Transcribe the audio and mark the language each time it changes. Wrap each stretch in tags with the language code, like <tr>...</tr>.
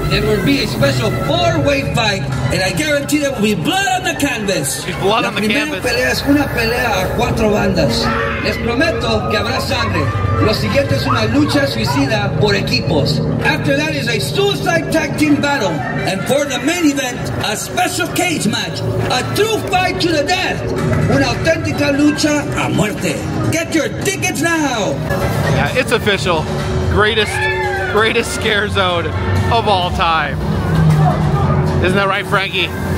<en>It will be a special four-way fight, and I guarantee there will be blood on the canvas. Blood on the canvas.</en> <es>La primera pelea es una pelea a cuatro bandas. Les prometo que habrá sangre. Lo siguiente es una lucha suicida por equipos.</es> <en>After that is a suicide tag team battle. And for the main event, a special cage match. A true fight to the death.</en> <es>Una auténtica lucha a muerte.</es> <en>Get your tickets now. Yeah, it's official. Greatest scare zone of all time. Isn't that right, Frankie?</en>